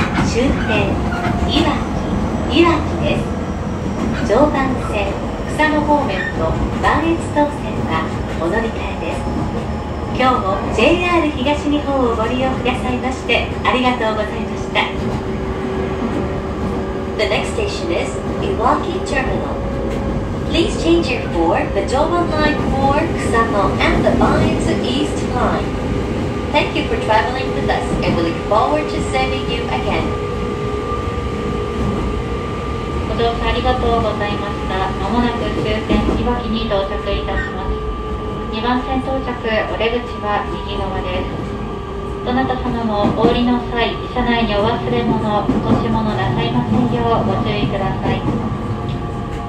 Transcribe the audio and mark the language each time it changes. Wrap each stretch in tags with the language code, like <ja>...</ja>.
<ja>終点いわき、いわきです。常磐線草野方面と磐越東線はお乗り換えです。今日も JR 東日本をご利用くださいましてありがとうございました。</ja> <en>The next station is Iwaki Terminal. Please change your for the Jōban Line 4 Kusano and the Bines East Line. Thank you for traveling with us and we look forward to seeing you again.</en> <ja>ご乗車ありがとうございました。まもなく終点いわきに到着いたします。 2番線到着、お出口は右側です。どなた様もお降りの際、車内にお忘れ物、落とし物なさいませんようご注意ください。</ja>